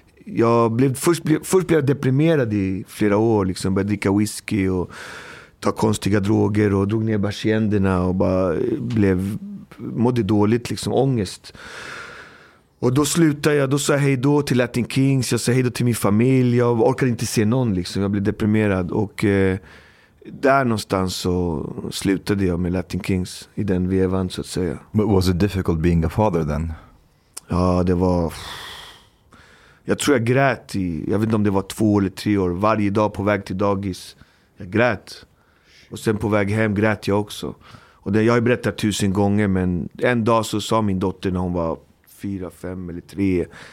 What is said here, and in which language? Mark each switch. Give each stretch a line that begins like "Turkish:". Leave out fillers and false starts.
Swedish: Jag blev först blev jag deprimerad i flera år liksom, började dricka whisky och ta konstiga droger och drog ner patienterna och bara blev mådde dåligt liksom, ångest. Och då slutade jag, då sa jag hej då till Latin Kings, jag sa hej då till min familj, jag orkade inte se någon liksom, jag blev deprimerad och där någonstans så slutade jag med Latin Kings i den vevan så att säga.
English: But was it difficult being a father then?
Swedish: Ja, det var... Jag tror jag grät i, jag vet inte om det var 2 eller 3 år, varje dag på väg till dagis. Jag grät. Och sen på väg hem grät jag också. Och det, jag har ju berättat 1000 gånger, men en dag så sa min dotter när hon var 4, 5 eller 3.